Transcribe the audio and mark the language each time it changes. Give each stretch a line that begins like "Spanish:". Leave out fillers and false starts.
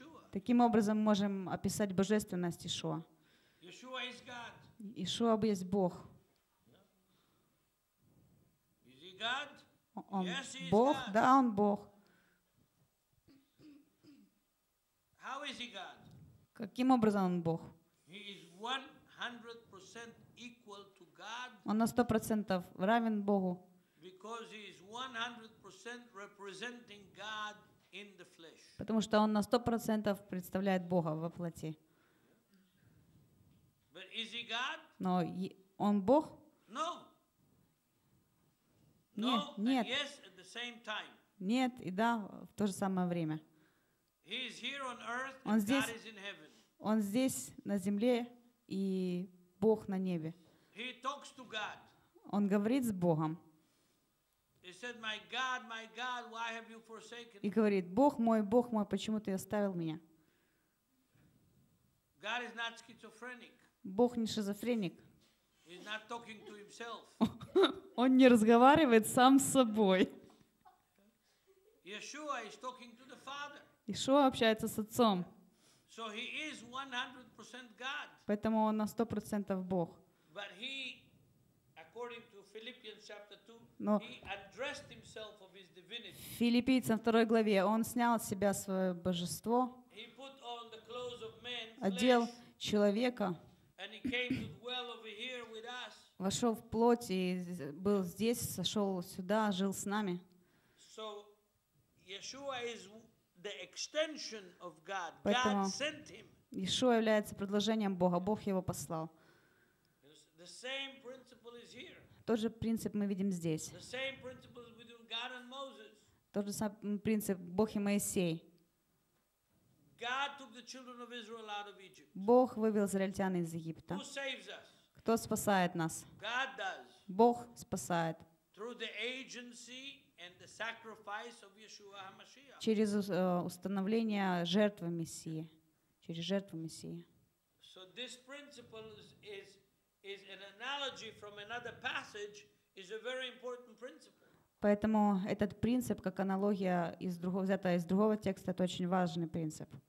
Russian: Таким образом, можем описать божественность Иешуа.
English: Иешуа is God.
Russian: Иешуа есть Бог.
English: Is he God?
Russian: Он
English: yes, he
Russian: Бог?
English: Is God.
Russian: Да, он Бог.
English: How is he God?
Russian: Каким образом он Бог?
English: He is 100% equal to God.
Russian: Он на 100% равен Богу.
English: Because he is 100% representing God in the flesh.
Russian: Потому что он на 100% представляет Бога во плоти.
English: But is he God?
Russian: Но он Бог?
English: No.
Russian: Нет,
English: no,
Russian: нет.
English: And yes, at the same time.
Russian: Нет и да в то же самое время.
English: He is here on earth,
Russian: он
English: and
Russian: здесь,
English: God is in heaven.
Russian: Он здесь на земле и Бог на небе.
English: He talks to God.
Russian: Он говорит с Богом.
English: He said, my God, my God, why have you forsaken?
Russian: И говорит, Бог мой, почему ты оставил меня?
English: God is not schizophrenic.
Russian: Бог не шизофреник.
English: He's not talking to himself.
Russian: Он не разговаривает сам с собой.
English: Yeshua is talking to the Father.
Russian: Иешуа общается с Отцом.
English: So he is 100% God.
Russian: Поэтому он на 100% Бог.
English: But he, according to Philippians chapter 2, Но he addressed himself of his divinity.
Russian: В Филиппийцам 2 главе он снял с себя свое божество,
English: he put on the clothes of man,
Russian: одел
English: flesh,
Russian: человека,
English: and he came to dwell over here with us.
Russian: Вошел в плоть и был здесь, сошел сюда, жил с нами.
English: So Yeshua is the extension of God.
Russian: Поэтому
English: God sent him.
Russian: Иешуа является предложением Бога, Бог его послал.
English: The same principle is here.
Russian: Тот же принцип мы видим здесь.
English: The same principle is between God and Moses.
Russian: Тот же самый принцип Бог и Моисей.
English: God took the children of Israel out of Egypt.
Russian: Бог вывел израильтян из Египта.
English: Who saves us?
Russian: Кто спасает нас?
English: God does.
Russian: Бог спасает.
English: Through the agency and the sacrifice of Yeshua HaMashiach.
Russian: Через установление жертвы Мессии. Через жертву Мессии.
English: So this principle is an analogy from another passage is a very important principle.
Russian: Поэтому этот принцип, как аналогия взята из другого текста, это очень важный принцип.